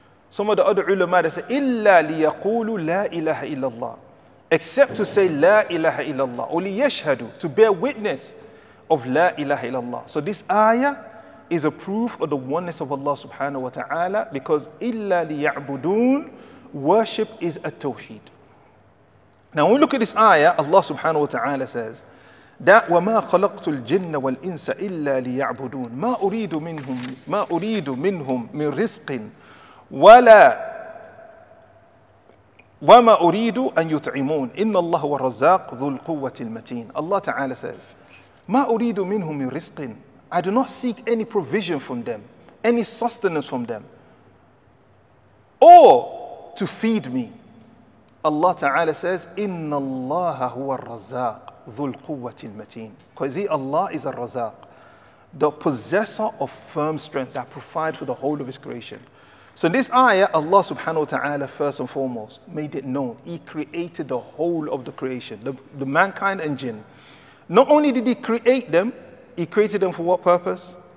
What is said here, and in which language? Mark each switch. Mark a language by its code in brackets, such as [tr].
[en] Some of the other ulama, they say [ar] إِلَّا لِيَقُولُوا لَا إِلَهَ إِلَّا اللَّهِ, [en] except to say [ar] لَا إِلَهَ إِلَّا اللَّهِ, أو لِيَشْهَدُوا, [en] to bear witness of La ilaha illallah. So this ayah is a proof of the oneness of Allah subhanahu wa ta'ala, because illa liya'budun, worship is a tawheed. Now when we look at this ayah, Allah subhanahu wa ta'ala says that [ar] وَمَا خَلَقْتُ الْجِنَّ وَالْإِنسَ إِلَّا لِيَعْبُدُونَ مَا أُرِيدُ مِنْهُمْ مَا أُرِيدُ مِنْهُمْ مِنْ رِزْقٍ وَلَا وَمَا أُرِيدُ أَنْ يُطْعِمُونَ إِنَّ اللَّهَ وَالرَّزَّاقُ ذُو الْقُوَّةِ الْمَتِينُ. [en] Allah Ta'ala says, [ar] مَا أُرِيدُ مِنْهُمْ مِنْ رِزْقٍ, [en] I do not seek any provision from them, any sustenance from them, or to feed me. Allah Ta'ala says, [ar] إِنَّ اللَّهَ هُوَ الرَّزَّاقُ ذُو الْقُوَّةِ الْمَتِينَ. [en] Because he, Allah, is al-Razzaq, the possessor of firm strength that provides for the whole of his creation. So in this ayah, Allah subhanahu wa ta'ala first and foremost made it known, he created the whole of the creation, the mankind and jinn. Not only did he create them, he created them for what purpose?